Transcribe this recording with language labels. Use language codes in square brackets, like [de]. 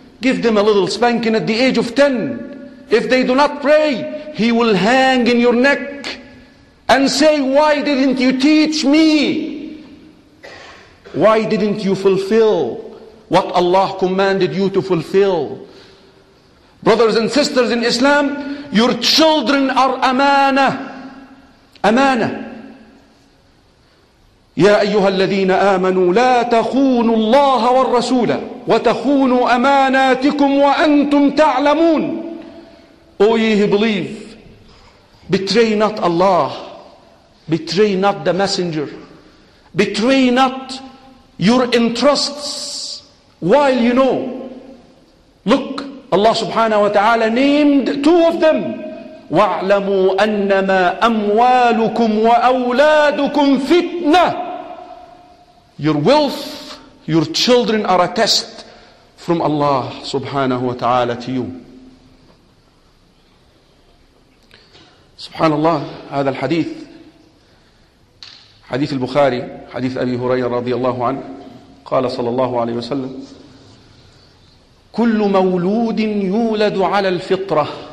[en] Give them a little spanking at the age of 10. If they do not pray, he will hang in your neck and say, why didn't you teach me? Why didn't you fulfill what Allah commanded you to fulfill? Brothers and sisters in Islam, your children are amanah. [ar] أمانة. يا أيها الذين آمنوا لا تخونوا الله والرسول وتخونوا أماناتكم وأنتم تعلمون. [en] O ye who believe, betray not Allah, betray not the messenger, betray not your entrusts while you know. Look, Allah subhanahu wa ta'ala named two of them. [ar] وَاعْلَمُوا أَنَّمَا أَمْوَالُكُمْ وَأَوْلَادُكُمْ فِتْنَةٌ. [en] Your wealth, your children are a test from Allah subhanahu wa ta'ala to you. [ar] Subhanallah, هذا الحديث حديث البخاري حديث أبي هريرة رضي الله عنه قال صلى الله عليه وسلم كل مولود يولد على الفطرة.